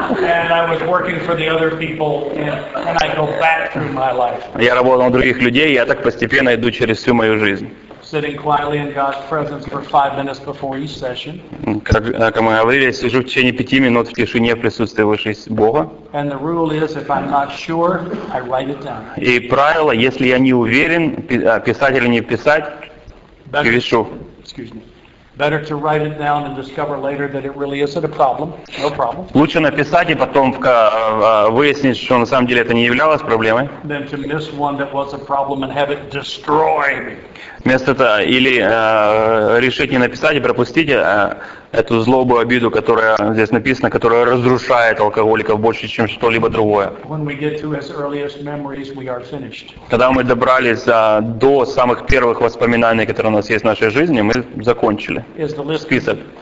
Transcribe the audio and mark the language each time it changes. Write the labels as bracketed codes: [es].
[en] And I was working for the other people, and I go back through my life. [ru] Я работал на других людей, и я так постепенно иду через всю мою жизнь. [en] Sitting quietly in God's presence for 5 minutes before each session. [ru] Как мы говорили, сижу в течение 5 минут в тишине в присутствии Высшего Бога. [en] And the rule is, if I'm not sure, I write it down. [ru] И правило, если я не уверен, писать или не писать, пишу. [en] Excuse me. Better to write it down and discover later that it really isn't a problem. No problem. [ru] Лучше написать и потом выяснить, что на самом деле это не являлось проблемой. [en] Than to miss one that was a problem and have it destroy me. [ru] Вместо этого или решить не написать и пропустить эту злобую обиду, которая здесь написана, которая разрушает алкоголиков больше, чем что-либо другое. [en] When we get to his earliest memories, we are finished. [ru] Когда мы добрались до самых первых воспоминаний, которые у нас есть в нашей жизни, мы закончили список.